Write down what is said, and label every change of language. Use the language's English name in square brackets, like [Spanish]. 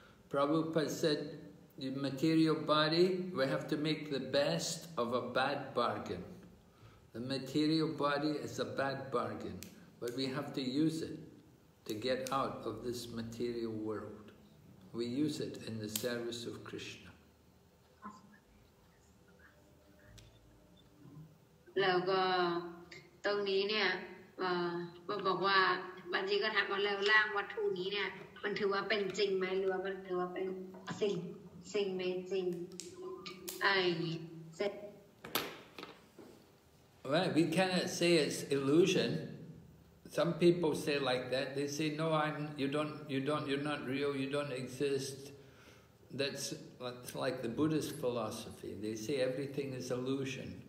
[English] Prabhupada said, the material body, we have to make the best of a bad bargain. The material body is a bad bargain, but we have to use it to get out of this material world. We use it in the service of Krishna. [Thai] แล้วก็ในความเป็นจริงเนี่ยบอกว่าบางทีก็ถามว่าแล้วร่างวัตถุนี้เนี่ยมันถือว่าเป็นจริงไหมหรือว่ามันถือว่าเป็นสิ่งไม่จริงไอ้เส ร็จ [English] Right, we cannot say it's illusion. Some people say like that. They say, no, you're not real, you don't exist. That's like the Buddhist philosophy. They say everything is illusion.